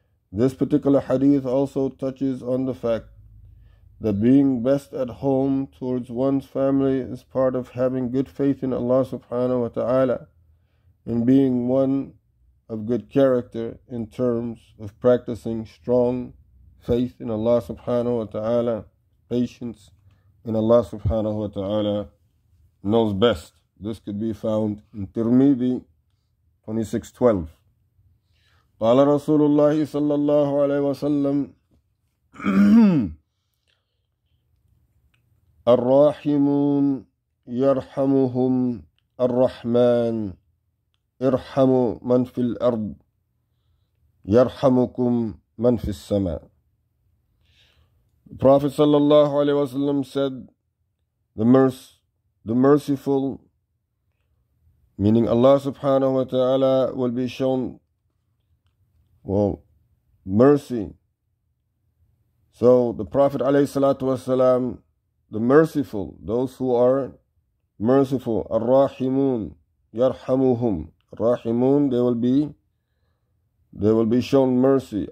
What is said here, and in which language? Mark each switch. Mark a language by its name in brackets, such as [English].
[English] This particular hadith also touches on the fact that being best at home towards one's family is part of having good faith in Allah subhanahu wa ta'ala and being one of good character in terms of practicing strong faith in Allah subhanahu wa ta'ala. Patience in Allah subhanahu wa ta'ala knows best. This could be found in Tirmidhi 26:12. [Arabic] قال رسول الله صلى الله عليه وسلم الراحمون يرحمهم الرحمن ارحموا من في الأرض يرحمكم من في السماء. [English] The Prophet [Arabic] صلى الله عليه وسلم [English] said, the merciful, meaning Allah subhanahu wa ta'ala, will be shown mercy. So the Prophet alayhi salatu wasalam, the merciful, those who are merciful, ar-rahimun, yarhamuhum, rahimun, they will be shown mercy.